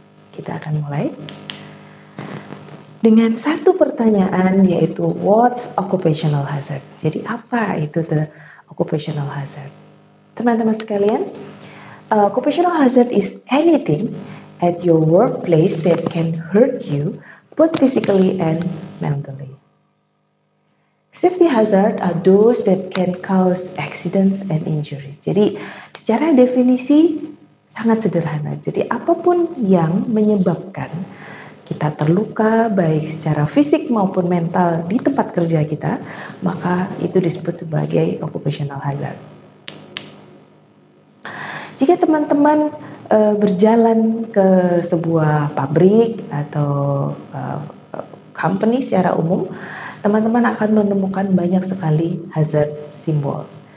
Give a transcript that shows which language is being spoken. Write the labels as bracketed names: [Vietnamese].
[Indonesian] Kita akan mulai dengan satu pertanyaan, yaitu what's occupational hazard? Jadi apa itu the occupational hazard? Teman-teman sekalian, [English] occupational hazard is anything at your workplace that can hurt you both physically and mentally. Safety hazard are those that can cause accidents and injuries. [Indonesian] Jadi secara definisi sangat sederhana. Jadi apapun yang menyebabkan kita terluka baik secara fisik maupun mental di tempat kerja kita, maka itu disebut sebagai occupational hazard. Jika teman-teman berjalan ke sebuah pabrik atau company secara umum, teman-teman akan menemukan banyak sekali hazard simbol.